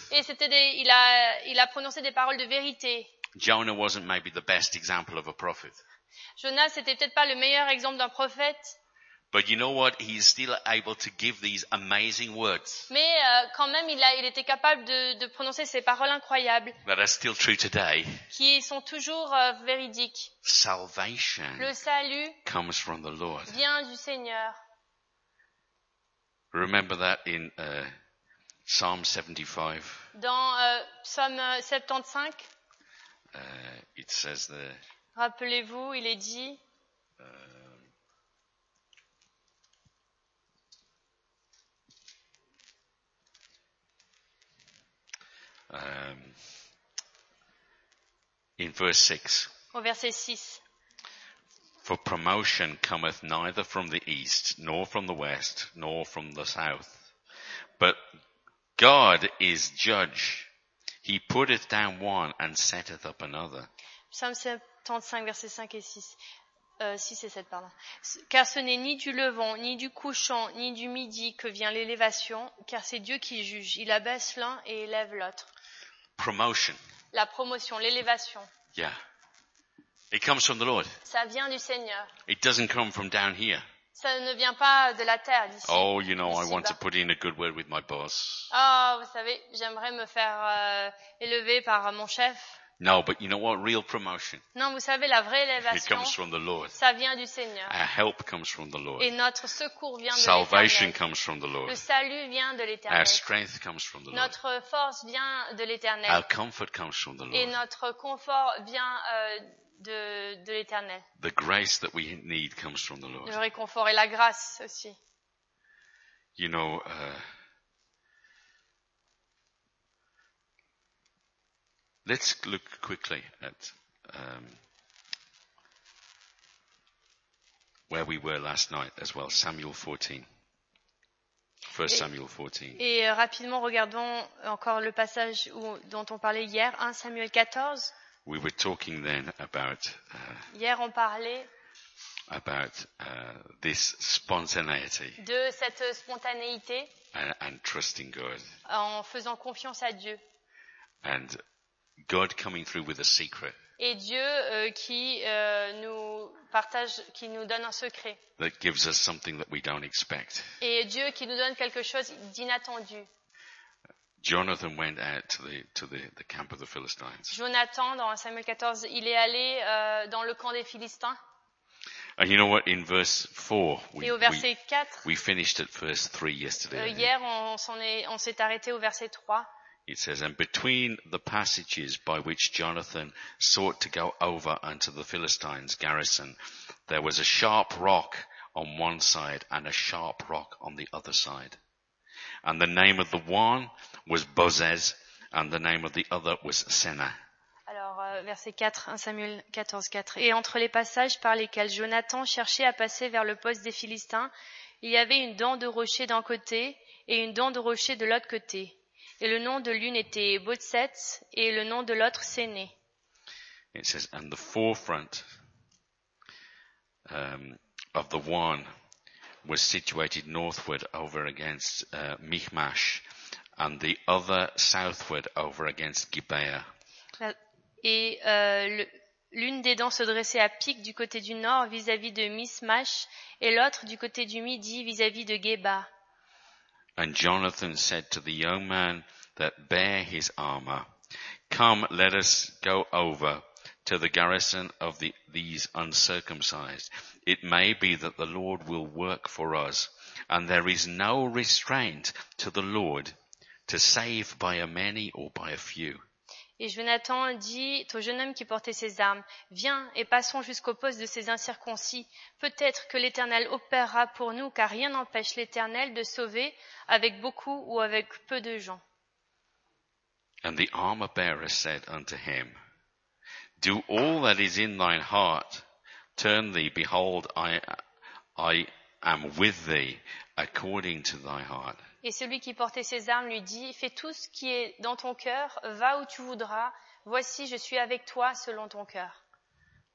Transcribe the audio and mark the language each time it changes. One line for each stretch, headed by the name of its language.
French: Et c'était des, il a prononcé des paroles de vérité.
English: Jonah wasn't maybe the best example of a prophet.
French: Jonas n'était peut-être pas le meilleur exemple d'un prophète.
English: But you know what? He's still able to give these amazing words.
French: Mais quand même, il était capable de prononcer ces paroles incroyables.
English: That are still true today.
French: Qui sont toujours véridiques.
English: Salvation.
French: Le salut.
English: Comes from the Lord.
French: Vient du Seigneur.
English: Remember that in Psalm 75.
French: Dans Psaume 75.
English: It says there.
French: Rappelez-vous, il est dit.
English: In verse 6.
French: Au verset 6.
English: For promotion cometh neither from the east, nor from the west, nor from the south. But God is judge. He putteth down one and setteth up another.
French: Psalm 75, verset 5 et 6. 6 et 7, pardon. Car ce n'est ni du levant, ni du couchant, ni du midi que vient l'élévation, car c'est Dieu qui juge. Il abaisse l'un et élève l'autre.
English: Promotion.
French: La promotion, l'élévation.
English: Yeah. It comes from the Lord.
French: Ça vient du Seigneur.
English: It doesn't come from down here.
French: Ça ne vient pas de la terre, d'ici.
English: Oh, you know, I want to put in a good word with my boss.
French: Oh, vous savez, j'aimerais me faire élever par mon chef.
English: No, but you know what? Real promotion.
French: Non, vous savez, la vraie élévation.
English: It comes from the Lord.
French: Ça vient du Seigneur.
English: Our help comes from the Lord.
French: Et notre secours vient de
English: Salvation
French: l'Éternel.
English: Salvation comes from the Lord.
French: Le salut vient de l'Éternel.
English: Our strength comes from the Lord.
French: Notre force vient de l'Éternel.
English: Our comfort comes from the Lord.
French: Et notre confort vient de l'Éternel.
English: The grace that we need comes from the Lord.
French: Le réconfort et la grâce aussi.
English: You know. Let's look quickly at where we were last night as well. Samuel 14. First Samuel 14.
French: Et rapidement regardons encore le passage dont on parlait hier, 1 Samuel 14.
English: We were talking then about.
French: Hier on parlait.
English: About this spontaneity.
French: De cette spontanéité.
English: And trusting God.
French: En faisant confiance à Dieu.
English: And God coming through with a secret.
French: et Dieu qui nous partage, qui nous donne un secret.
English: That gives us something that we don't expect.
French: Et Dieu qui nous donne quelque chose d'inattendu.
English: Jonathan went out to the camp of the Philistines.
French: Jonathan dans Samuel 14, il est allé dans le camp des Philistins.
English: And you know what? In verse 4, we finished at verse 3 yesterday.
French: Hier, on s'est arrêté au verset 3.
English: It says, "And between the passages by which Jonathan sought to go over unto the Philistines' garrison, there was a sharp rock on one side and a sharp rock on the other side. And the name of the one was Bozez, and the name of the other was Senna."
French: Verset 4, 1 Samuel 14, 4. Et entre les passages par lesquels Jonathan cherchait à passer vers le poste des Philistins, il y avait une dent de rocher d'un côté et une dent de rocher de l'autre côté. Et le nom de l'une était Bozez et le nom de l'autre Séné.
English: It says, and the forefront of the one was situated northward over against Michmash, and the other southward over against Gibeah.
French: Et l'une des dents se dressait à pic du côté du nord vis-à-vis de Michmash et l'autre du côté du midi vis-à-vis de Geba.
English: And Jonathan said to the young man that bare his armor, "Come, let us go over to the garrison of these uncircumcised. It may be that the Lord will work for us, and there is no restraint to the Lord to save by a many or by a few."
French: Et Jonathan dit au jeune homme qui portait ses armes, « Viens et passons jusqu'au poste de ces incirconcis. Peut-être que l'Éternel opérera pour nous, car rien n'empêche l'Éternel de sauver avec beaucoup ou avec peu de gens. »
English: And the armor-bearer said unto him, « Do all that is in thine heart. Turn thee, behold, I am with thee according to thy heart. »
French: Et celui qui portait ses armes lui dit, « Fais tout ce qui est dans ton cœur, va où tu voudras. Voici, je suis avec toi selon ton cœur. »